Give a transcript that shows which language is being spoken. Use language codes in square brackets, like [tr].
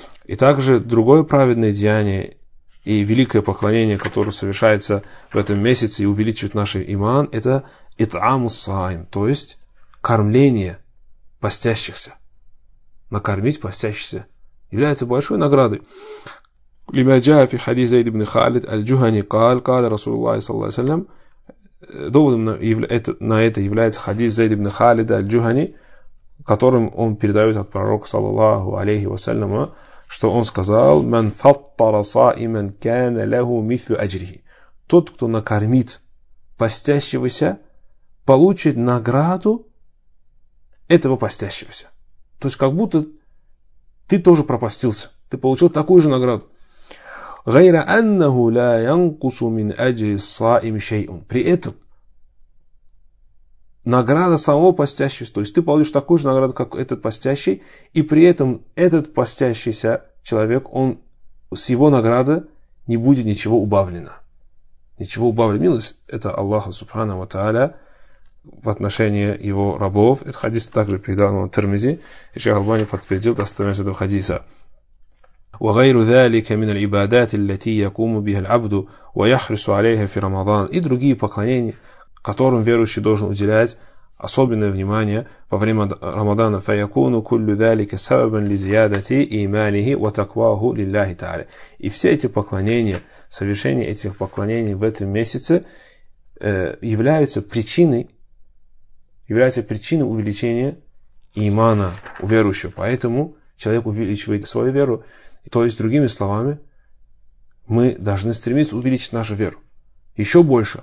[ru] И также другое праведное деяние и великое поклонение, которое совершается в этом месяце и увеличивает наш иман, это [ar] итаму саим, [ru] то есть кормление постящихся. Накормить постящихся является большой наградой. [ar] لما جاء في حديث زيد بن خالد الجهني قال قال رسول الله صلى الله عليه وسلم دوبنا [ru] на это является хадис [ar] زيد بن خالد الجهني, [ru] которым он передаёт от пророка саллаллаху алейхи ва саллям, что он сказал: [ar] من فطر صائما كان له مثل اجره. [ru] Тот, кто накормит постящегося, получит награду этого постящегося. То есть как будто ты тоже пропастился, ты получил такую же награду. [ar] غَيْرَ أَنَّهُ لَا يَنْقُسُ مِنْ أَجْرِ الصَّائِمِ شَيْءٌ. [ru] При этом награда самого постящегося, то есть ты получишь такую же награду, как этот постящий, и при этом этот постящийся человек, он с его награды не будет ничего убавлено. Ничего убавлено. Милость это Аллаха Субхана ва Тааля в отношении его рабов. Этот хадис также передал нам Тирмизи, и шейх Албани подтвердил достоверность этого хадиса. [ar] وغير ذلك من العبادات التي يقوم بها العبد ويحرص عليها في رمضان. [ru] И другие поклонения, которым верующий должен уделять особенное внимание во время Рамадана. [ar] فيكون كل ذلك سببا لزيادة إيمانه وتقواه لله تعالى. [ru] И все эти поклонения, совершение этих поклонений в этом месяце являются причиной увеличения имана у верующего. Поэтому человек увеличивает свою веру. То есть, другими словами, мы должны стремиться увеличить нашу веру еще больше.